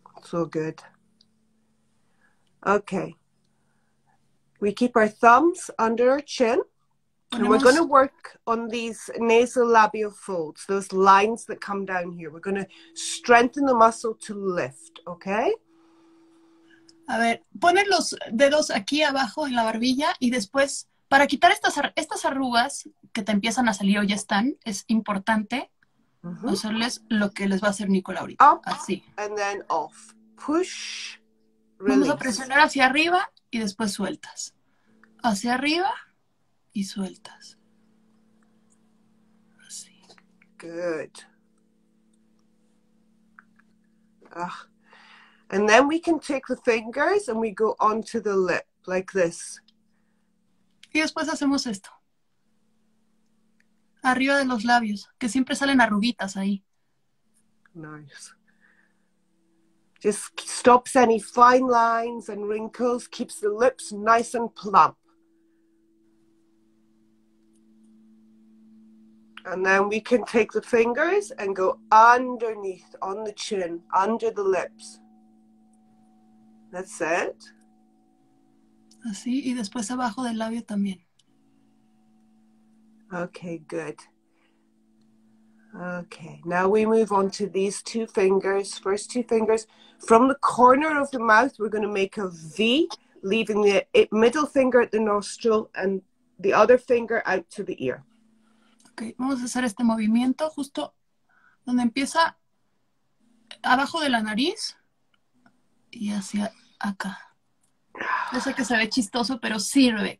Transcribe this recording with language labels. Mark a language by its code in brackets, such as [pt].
[en] So good. Okay. We keep our thumbs under our chin. Ponemos... And we're going to work on these nasolabial folds, those lines that come down here. We're going to strengthen the muscle to lift, okay? [es] A ver, ponen los dedos aquí abajo en la barbilla y después, para quitar estas arrugas que te empiezan a salir o ya están, es importante hacerles lo que les va a hacer Nicole ahorita. [en] Up, [es] así. [en] And then off. Push, release. [es] Vamos a presionar hacia arriba y después sueltas. Hacia arriba y sueltas. Así. [en] Good. Ah. And then we can take the fingers and we go onto the lip, like this. [es] Y después hacemos esto. Arriba de los labios, que siempre salen arruguitas ahí. [en] Nice. Just stops any fine lines and wrinkles, keeps the lips nice and plump. And then we can take the fingers and go underneath, on the chin, under the lips. That's it. [es] Así, y después abajo del labio también. [en] Okay, good. Okay, now we move on to these two fingers, first two fingers. From the corner of the mouth, we're going to make a V, leaving the middle finger at the nostril and the other finger out to the ear. [es] Okay, vamos a hacer este movimiento justo donde empieza abajo de la nariz y hacia acá. Yo sé que se ve chistoso, pero sirve.